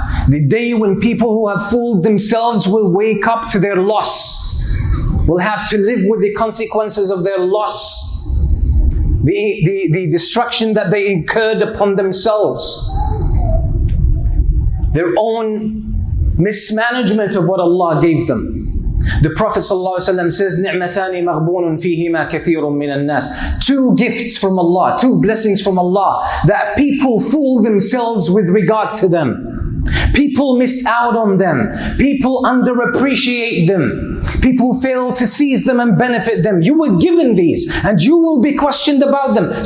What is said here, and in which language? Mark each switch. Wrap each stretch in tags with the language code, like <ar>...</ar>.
<en>The day when people who have fooled themselves will wake up to their loss, will have to live with the consequences of their loss. the destruction that they incurred upon themselves, their own mismanagement of what Allah gave them. The Prophet says,</en> <ar>نِعْمَتَانِ مَغْبُونٌ فِيهِمَا كَثِيرٌ مِّنَ النَّاسِ.</ar> <en>Two gifts from Allah, two blessings from Allah, that people fool themselves with regard to them. People miss out on them. People underappreciate them. People fail to seize them and benefit them. You were given these, and you will be questioned about them.</en>